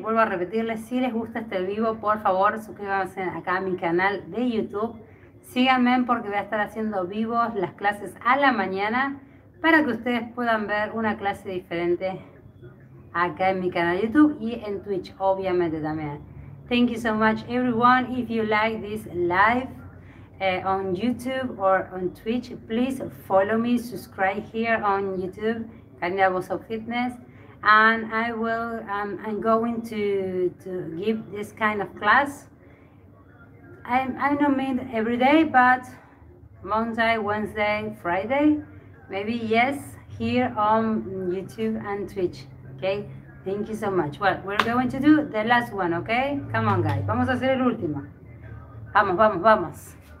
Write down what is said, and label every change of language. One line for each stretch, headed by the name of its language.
Spanish: Vuelvo a repetirles, si les gusta este vivo, por favor, suscríbanse acá a mi canal de YouTube. Síganme porque voy a estar haciendo vivos las clases a la mañana para que ustedes puedan ver una clase diferente acá en mi canal de YouTube y en Twitch, obviamente, también.
English: Thank you so much, everyone. If you like this live on YouTube or on Twitch, please follow me, subscribe here on YouTube, Karina Bosso Fitness, and I will, I'm going to give this kind of class. I don't mean every day, but Monday, Wednesday, Friday, maybe, yes, here on YouTube and Twitch, okay? Thank you so much. Well, we're going to do the last one, okay? Come on, guys.
Spanish: Vamos a hacer el último. Vamos.